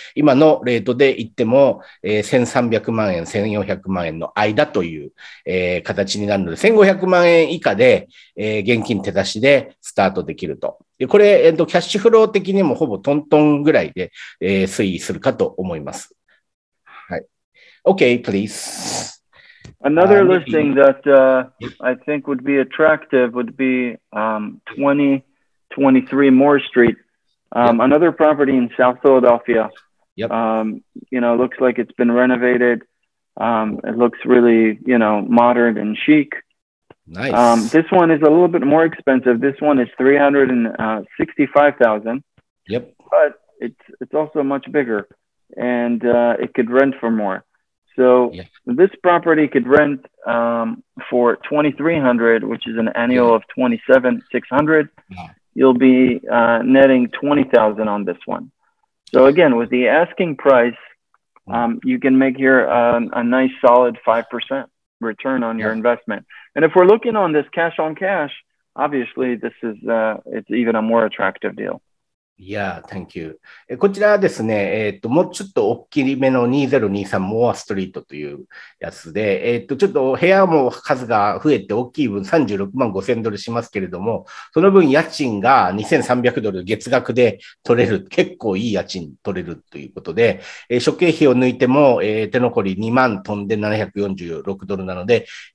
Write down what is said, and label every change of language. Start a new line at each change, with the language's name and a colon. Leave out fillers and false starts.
Japanese: 今のレートで言っても、1300万円、1400万円の間という、形になるので、1500万円以下で、現金手出しでスタートできると。で、これ、キャッシュフロー的にもほぼトントンぐらいで、推移するかと思います。
English: はい。Okay, please. Another listing that I think would be attractive would be 2023 Moore Street. Another property in South Philadelphia. Yep. You know, looks like it's been renovated. It looks really, you know, modern and chic. Nice. This one is a little bit more expensive. This one is $365,000. Yep. But it's also much bigger, and it could rent for more. So yeah. this property could rent for $2,300, which is an annual yeah. of $27,600. Yeah. You'll be netting $20,000 on this one. So again, with the asking price, you can make here a nice solid 5%. Return on your yeah. investment. And if we're looking on this cash on cash, obviously this is it's even a more attractive deal. Yeah, thank you.
Japanese: こちらはですね、もうちょっと大きめの2023モアストリートというやつで、ちょっと部屋も数が増えて大きい分36万5千ドルしますけれども、その分家賃が2300ドル月額で取れる、結構いい家賃取れるということで、諸経費を抜いても、手残り2万飛んで746ドルなので、